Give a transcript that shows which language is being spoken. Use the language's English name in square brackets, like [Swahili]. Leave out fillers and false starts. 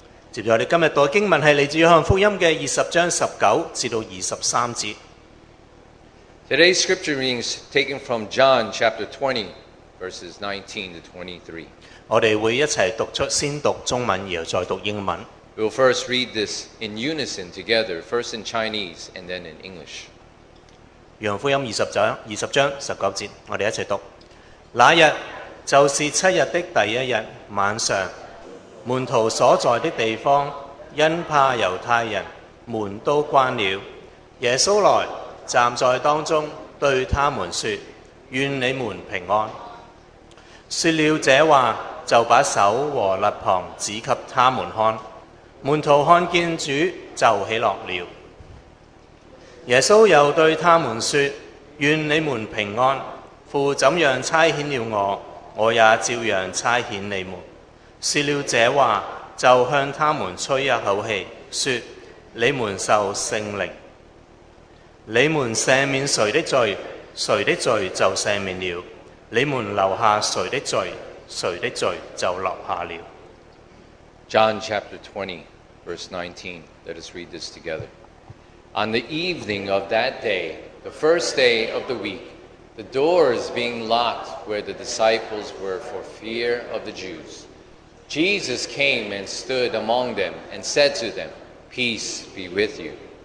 [Chinese] 接下来我们今天读的经文是来自约翰福音的20章19至23节。 [English] Today's scripture readings taken from John chapter 20 verses 19 to 23. [Chinese] 我们会一起读出，先读中文然后再读英文。 [English] We'll first read this in unison together, first in Chinese and then in English. [Chinese] 约翰福音20章19节，我们一起读。那日就是七日的第一日晚上，门徒所在的地方因怕犹太人，门都关了。耶稣来站在当中，对他们说：愿你们平安。说了这话，就把手和肋旁指给他们看。门徒看见主就喜乐了。耶稣又对他们说：愿你们平安。父怎样差遣了我，我也照样差遣你们。说了这话，就向他们吹一口气，说：你们受圣灵，你们赦免谁的罪，谁的罪就赦免了；你们留下谁的罪，谁的罪就留下了。 [English] John chapter 20, verse 19. Let us read this together. On the evening of that day, the first day of the week, the doors being locked where the disciples were for fear of the Jews. Jesus came and stood among them and said to them, Peace be with you.